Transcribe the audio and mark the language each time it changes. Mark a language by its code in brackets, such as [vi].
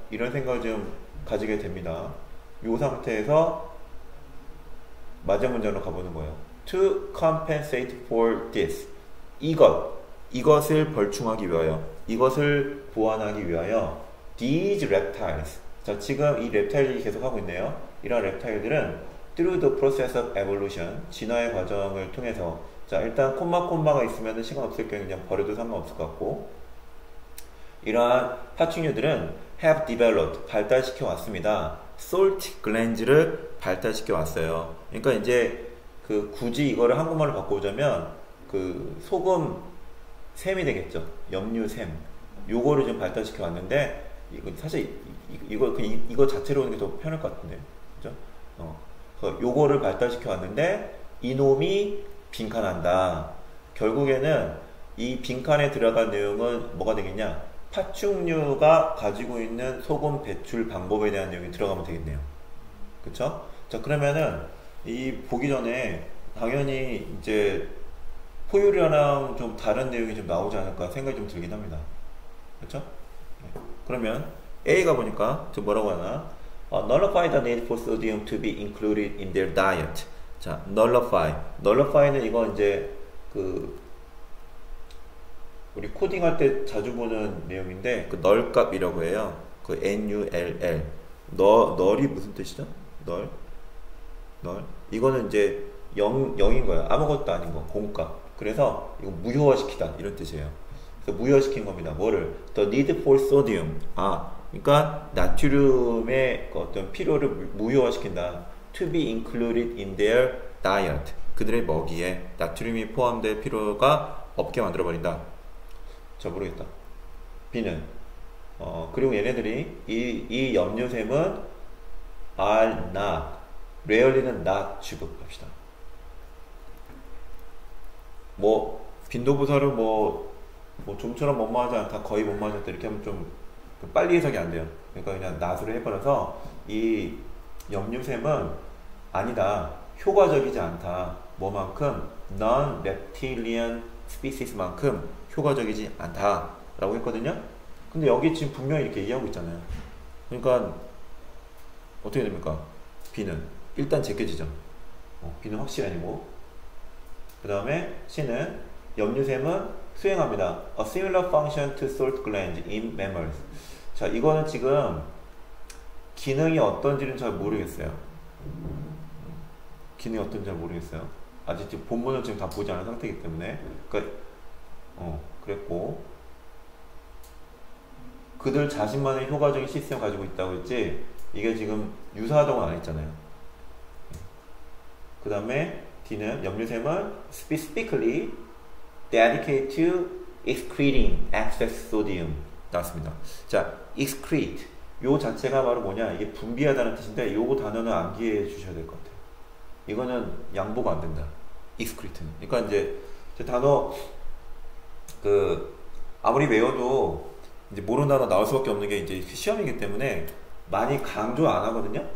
[ko] 이런 생각을 좀 가지게 됩니다. 요 상태에서 마지막 문장으로 가보는 거예요. [en] To compensate for this. [ko] 이것을 벌충하기 위하여, 이것을 보완하기 위하여, [en] these reptiles. [ko] 자, 지금 이 렙타일이 계속하고 있네요. 이런 렙타일들은 [en] through the process of evolution. [ko] 진화의 과정을 통해서. 자, 일단 콤마가 있으면 시간 없을 경우에 그냥 버려도 상관없을 것 같고. 이러한 파충류들은 [en] have developed, [ko] 발달시켜 왔습니다. salt glands를 발달시켜 왔어요. 그러니까 이제 그 굳이 이거를 한국말로 바꾸자면 그 소금 샘이 되겠죠. 염류샘. 요거를 좀 발달시켜 왔는데, 이거 사실 이거 자체로 오는 게더 편할 것 같은데. 그죠? 요거를 발달시켜 왔는데, 이놈이 빈칸한다. 결국에는 이 빈칸에 들어간 내용은 뭐가 되겠냐? 파충류가 가지고 있는 소금 배출 방법에 대한 내용이 들어가면 되겠네요. 그쵸? 자, 그러면은, 이 보기 전에, 당연히 이제, 포유류랑 좀 다른 내용이 좀 나오지 않을까 생각이 좀 들긴 합니다. 그쵸? 그러면, A가 보니까, 저 뭐라고 하나? [en] Nullify the need for sodium to be included in their diet. [ko] 자, nullify. Nullify는 이거 이제, 우리 코딩할 때 자주 보는 내용인데, 그 null값이라고 해요. 그 null. null이 무슨 뜻이죠? null. null. 이거는 이제 0인 거야. 아무것도 아닌 거. 공값. 그래서 이거 무효화시키다. 이런 뜻이에요. 그래서 무효화시킨 겁니다. 뭐를? [en] The need for sodium. [ko] 아, 그러니까 나트륨의 어떤 필요를 무효화시킨다. [en] To be included in their diet. [ko] 그들의 먹이에 나트륨이 포함될 필요가 없게 만들어버린다. 저 모르겠다. B는 그리고 얘네들이 이 염류샘은 [en] are not, [ko] rarely는 not 취급합시다. 뭐 빈도부사로 뭐 좀처럼 못마하지 않다, 거의 못마하지 않다 이렇게 하면 좀 빨리 해석이 안 돼요. 그러니까 그냥 not으로 해버려서 이 염류샘은 아니다, 효과적이지 않다. 뭐만큼? non-reptilian species만큼 효과적이지 않다라고 했거든요. 근데 여기 지금 분명히 이렇게 얘기하고 있잖아요. 그러니까 어떻게 됩니까? B는 일단 제껴지죠. B는 확실히 아니고. 그다음에 C는 염류샘은 수행합니다. [en] A similar function to salt glands in mammals. [ko] 자, 이거는 지금 기능이 어떤지는 잘 모르겠어요. 기능이 어떤지 잘 모르겠어요. 아직 본문을 지금 다 보지 않은 상태이기 때문에. 그랬고, 그들 자신만의 효과적인 시스템을 가지고 있다고 했지, 이게 지금 유사하다고는 안 했잖아요. 그 다음에 D는 염류샘은 [en] specifically dedicated to excreting excess sodium [ko] 나왔습니다. 자, excrete. 요 자체가 바로 뭐냐? 이게 분비하다는 뜻인데, 요 단어는 암기해 주셔야 될것 같아요. 이거는 양보가 안 된다. excrete는. 그러니까 이제 단어, 아무리 외워도 이제 모르는 단어 나올 수밖에 없는 게 이제 시험이기 때문에 많이 강조 안 하거든요.